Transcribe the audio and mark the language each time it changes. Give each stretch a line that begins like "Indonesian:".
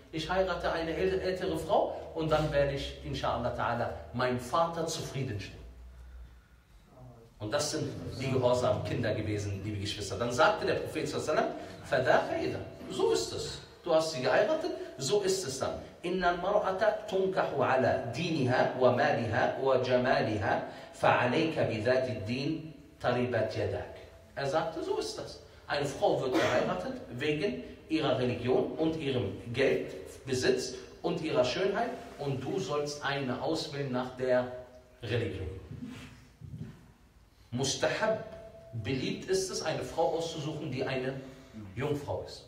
German: Ich heirate eine ältere Frau und dann werde ich, inshallah ta'ala, meinem Vater zufriedenstellen. Und das sind die gehorsamen Kinder gewesen, liebe Geschwister. Dann sagte der Prophet, so ist es. Du hast sie geheiratet, so ist es dann.
Arabic: إِنَّ الْمَرْأَةَ تُنْكَحُ عَلَى دِينِهَا وَمَالِهَا وَجَمَالِهَا فَعَلَيْكَ بِذَاتِ الدِّينِ تَرِبَتْ يَدَكَ.
German: Er sagte, so ist das. Eine Frau wird geheiratet wegen ihrer Religion und ihrem Geldbesitz und ihrer Schönheit und du sollst eine auswählen nach der Religion. Mustahab, beliebt ist es, eine Frau auszusuchen, die eine Jungfrau ist.